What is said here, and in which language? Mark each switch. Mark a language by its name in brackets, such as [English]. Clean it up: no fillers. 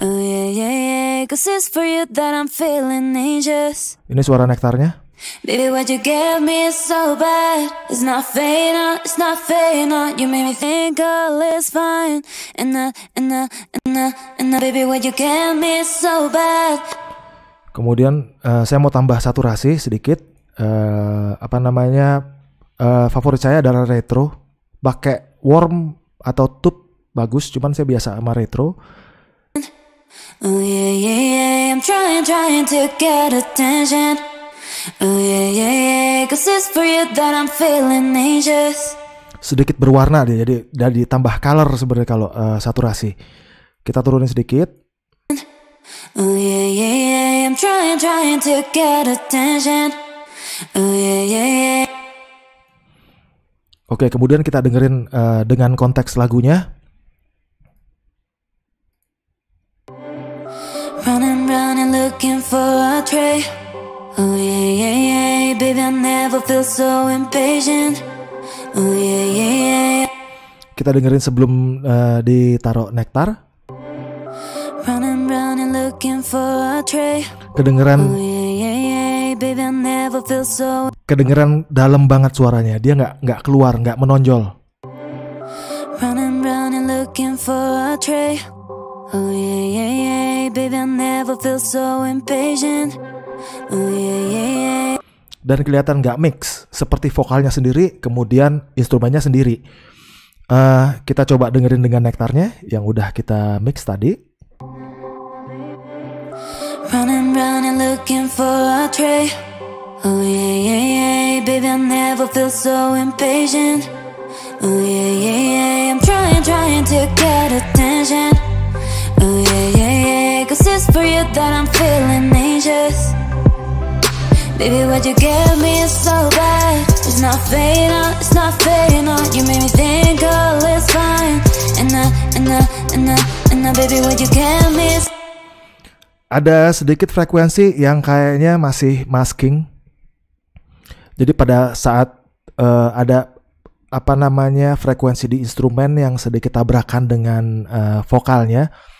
[English] Oh yeah yeah yeah, 'cause it's for you that I'm feeling anxious. [Indonesian] Ini suara nektarnya. [English] Baby, what you gave me is so bad. It's not fading out, it's not fading out. You made me think all is fine. And baby, what you gave me is so bad. [Indonesian] Kemudian saya mau tambah saturasi sedikit. Apa namanya, favorit saya adalah retro. Pakai warm atau tube bagus, cuman saya biasa sama retro. [English] Oh yeah yeah yeah, I'm trying to get attention. Oh yeah yeah yeah, 'cause it's for you that I'm feeling anxious. [Indonesian] Sedikit berwarna dia, jadi dan ditambah color sebenarnya kalau saturasi. Kita turunin sedikit. [English] Oh yeah yeah yeah, I'm trying to get attention. Oh yeah yeah yeah. [Indonesian] Oke, kemudian kita dengerin dengan konteks lagunya. [English] Running running looking for a tray. Oh yeah yeah yeah, baby I never feel so impatient. Oh yeah yeah yeah. [Indonesian] Kita dengerin sebelum ditaruh nektar. [English] Running running looking for a tray. [Indonesian] Kedengeran. [English] Oh yeah yeah yeah, baby I never feel so. [Indonesian] Kedengeran dalam banget suaranya. Dia enggak keluar, enggak menonjol. [English] Running running looking for a tray. Oh yeah yeah yeah, baby I never feel so impatient. Oh yeah yeah yeah. [Indonesian] Dan kelihatan enggak mix, seperti vokalnya sendiri kemudian instrumennya sendiri. Kita coba dengerin dengan nektarnya yang udah kita mix tadi. [English] Running running looking for a tray. Oh yeah yeah yeah, baby I never feel so impatient. Oh yeah yeah yeah, I'm trying to get attention. Oh yeah yeah yeah, 'cause it's for you that I'm feeling anxious. Baby, what you give me is so bad. It's not fading out, it's not fading out. You made me think all is fine. And I, baby, what you give me is. [Indonesian] Ada sedikit frekuensi yang kayaknya masih masking. Jadi pada saat ada apa namanya frekuensi di instrumen yang sedikit tabrakan dengan vokalnya.